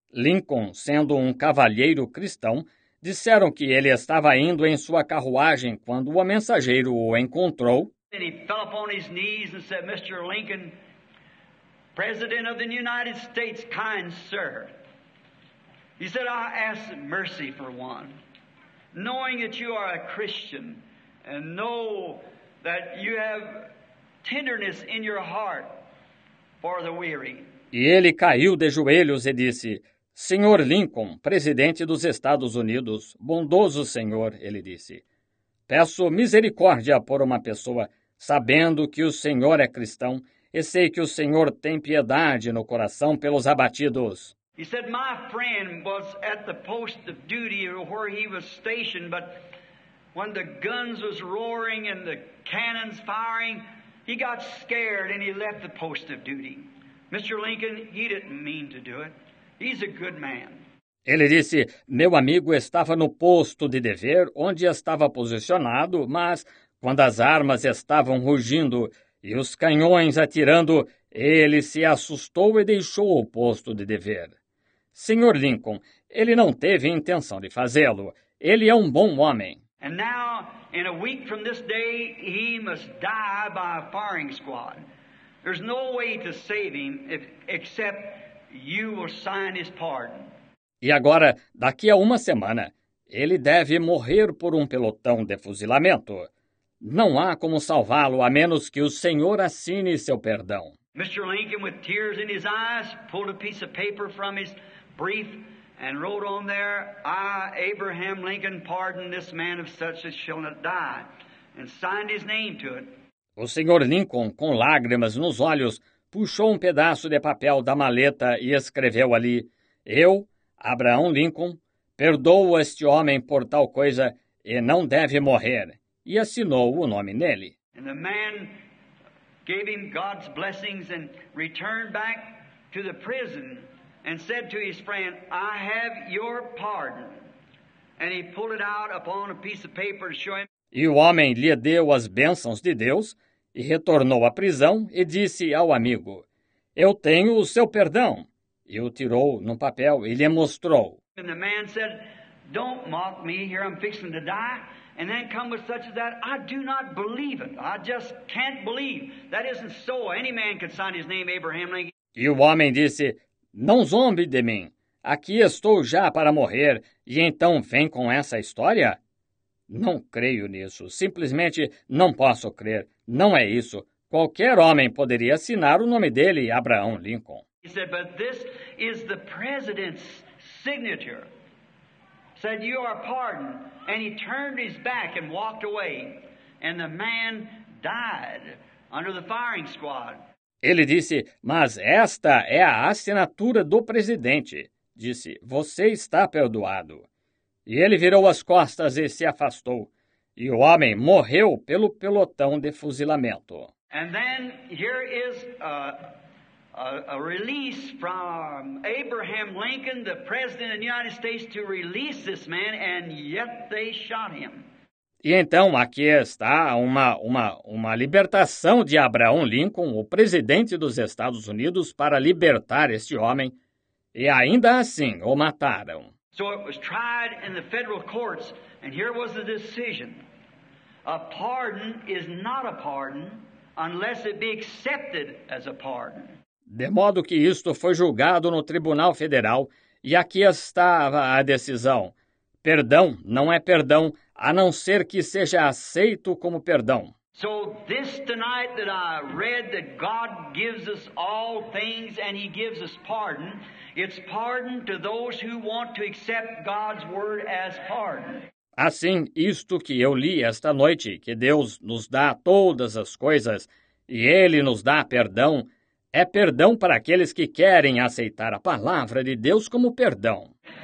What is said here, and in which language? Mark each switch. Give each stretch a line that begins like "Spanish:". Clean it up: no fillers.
Portuguese: Lincoln, sendo um cavalheiro cristão, disseram que ele estava indo em sua carruagem quando o mensageiro o encontrou.
English: And he fell upon his knees and said, Mr. Lincoln, President of the United States, kind sir, he said, I ask mercy for one, knowing that you are a Christian and know that you have tenderness in your heart for the weary.
Portuguese: E ele caiu de joelhos e disse, Senhor Lincoln, presidente dos Estados Unidos, bondoso senhor, ele disse, peço misericórdia por uma pessoa, sabendo que o senhor é cristão, e sei que o Senhor tem piedade no coração pelos abatidos.
English: He said my friend was at the post of duty where he was stationed, but when the guns was roaring and the cannons firing, he got scared and he left the post of duty. Mr. Lincoln, he didn't mean to do it. He's a good man.
Portuguese: Ele disse, meu amigo estava no posto de dever onde estava posicionado, mas quando as armas estavam rugindo, e os canhões atirando, ele se assustou e deixou o posto de dever. Senhor Lincoln, ele não teve intenção de fazê-lo. Ele é um bom homem.
English: And now, in a week from this day, he must die by a firing squad. There's no way to save him except you will sign his pardon.
Portuguese: E agora, daqui a uma semana, ele deve morrer por um pelotão de fuzilamento. Não há como salvá-lo a menos que o Senhor assine seu perdão.
English: Mr. Lincoln, with tears in his eyes, pulled a piece of paper from his brief and wrote on there, I, Abraham Lincoln, pardon this man of such as shall not die, and signed his name to it.
Portuguese: O Senhor Lincoln, com lágrimas nos olhos, puxou um pedaço de papel da maleta e escreveu ali, Eu, Abraão Lincoln, perdoo este homem por tal coisa e não deve morrer. E assinou o nome nele.
English: And the man gave him God's blessings and returned back to the prison and said to his friend, I have your pardon. And he pulled it out upon a piece of paper to show him.
Portuguese: E o homem lhe deu as bênçãos de Deus e retornou à prisão e disse ao amigo, Eu tenho o seu perdão. E o tirou no papel e lhe mostrou.
English: And the man said, Don't mock me, here I'm fixing to die. And then come with such as that, I do not believe it. I just can't believe. That isn't so. Any man could sign his name Abraham Lincoln.
Portuguese: E o homem disse, não zombe de mim. aqui estou já para morrer, e então vem com essa história? Não creio nisso, simplesmente não posso crer, não é isso. Qualquer homem poderia assinar o nome dele, Abraham Lincoln.
English: He said, but this is the president's signature. Said, you are pardoned. And he turned his back and walked away. And the man died under the firing squad.
Portuguese: Ele disse, mas esta é a assinatura do presidente. Disse, você está perdoado. E ele virou as costas e se afastou. E o homem morreu pelo pelotão de fuzilamento.
English: And then here is a release from Abraham Lincoln, the president of the United States, to release this man, and yet they shot him.
Portuguese: E então aqui está uma libertação de Abraham Lincoln, o presidente dos Estados Unidos, para libertar este homem, e ainda assim o mataram.
English: So it was tried in the federal courts, and here was the decision. A pardon is not a pardon unless it be accepted as a pardon.
Portuguese: De modo que isto foi julgado no Tribunal Federal, e aqui estava a decisão. Perdão não é perdão, a não ser que seja aceito como perdão.
English: So this tonight that I read that God gives us all things and he gives us pardon, it's pardon to those who want to accept God's word as pardon.
Portuguese: Assim, isto que eu li esta noite, que Deus nos dá todas as coisas e ele nos dá perdão, é perdão para aqueles que querem aceitar a palavra de Deus como perdão.